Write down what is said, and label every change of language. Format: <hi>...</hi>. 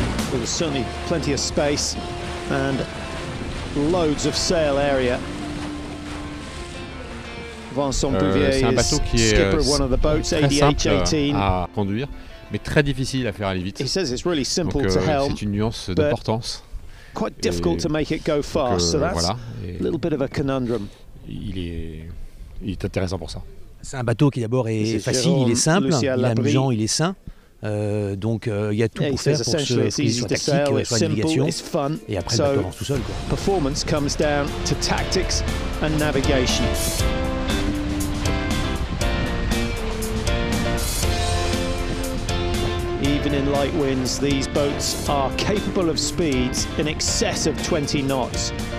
<en>There was certainly plenty of space and loads of sail area.</en> <fr>C'est un bateau qui est</fr> <en>boats,</en> <fr>très simple à conduire, mais très difficile à faire aller vite.</fr> <en>He says it's really simple</en> <fr>donc,</fr> <en>to helm,</en> <fr>c'est une nuance d'importance.</fr> <en>Quite difficult to make it go fast. Donc, so that's voilà, a little bit of a conundrum.</en> <fr>Il est intéressant pour ça. C'est un bateau qui d'abord est facile, il est simple, il est amusant, il est sain. Donc il y a tout pour faire pour que ce soit tactique, soit navigation. Et après</fr> <en>so,</en> <fr>le bateau avance tout seul, quoi.</fr> <en>Performance comes down to tactics and navigation. He even in light winds, these boats are capable of speeds in excess of 20 knots.</en>